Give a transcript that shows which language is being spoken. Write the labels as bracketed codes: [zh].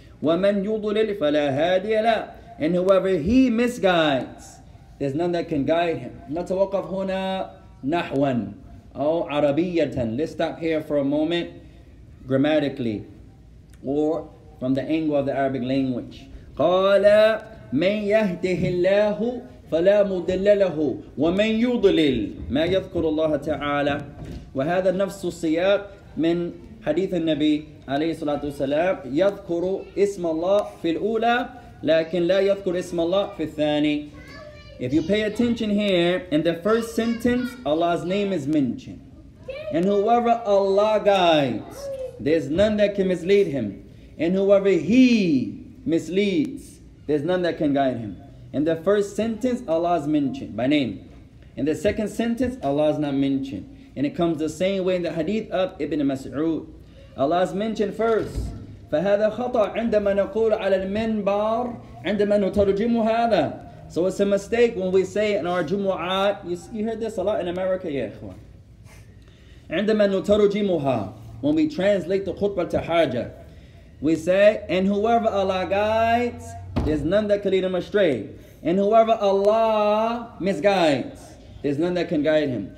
[en] And whoever he misguides, there's none that can guide him. [ar] نتوقف هنا نحوا أو عربية. [en] Let's stop here for a moment, grammatically, or from the angle of the Arabic language. [ar] قال من يهده الله فلا مضل له ومن يضلل ما يذكر الله تعالى. وهذا نفس السياق من حديث النبي عليه الصلاة والسلام يذكر اسم الله في الأولى لكن لا يذكر اسم الله في الثاني. [en] If you pay attention here, in the first sentence, Allah's name is mentioned. And whoever Allah guides, there's none that can mislead him. And whoever he misleads, there's none that can guide him. In the first sentence, Allah's mentioned by name. In the second sentence, Allah's not mentioned. And it comes the same way in the hadith of Ibn Mas'ud. Allah's mentioned first. [ar] فهذا خطأ عندما نقول على المنبر عندما نترجم هذا. [en] So it's a mistake when we say in our Jumu'at, you heard this a lot in America, [ar] يا إخوان. عندما نترجمها, [en] when we translate the خطبة التحاجة, we say, and whoever Allah guides, there's none that can lead him astray. And whoever Allah misguides, there's none that can guide him.